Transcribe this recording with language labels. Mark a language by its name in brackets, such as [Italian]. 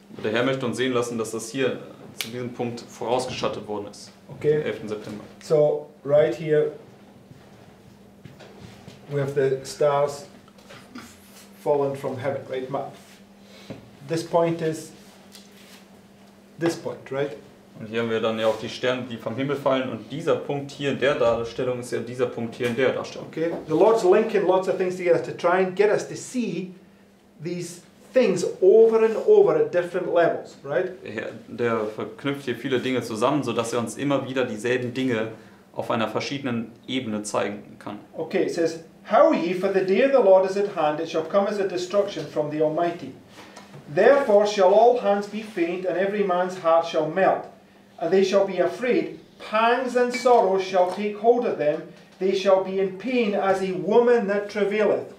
[German] Der Herr möchte uns sehen lassen, dass das hier zu diesem Punkt vorausgeschattet worden ist. [English] Okay. [German] Am 11. September. [English] So right here we have the stars fallen from heaven, right? This point, right? [German] Und hier haben wir dann ja auch die Sterne, die vom Himmel fallen, und dieser Punkt hier in der Darstellung ist ja dieser Punkt hier in der Darstellung. Okay. [English] The Lord's linking lots of things together to try and get us to see these things over and over at different levels, right? [German] Der verknüpft hier viele Dinge zusammen, so dass er uns immer wieder dieselben Dinge auf einer verschiedenen Ebene zeigen kann. [English] Okay, it says, "How ye, for the day of the Lord is at hand, it shall come as a destruction from the Almighty. Therefore shall all hands be faint, and every man's heart shall melt, and they shall be afraid. Pangs and sorrows shall take hold of them. They shall be in pain as a woman that travaileth."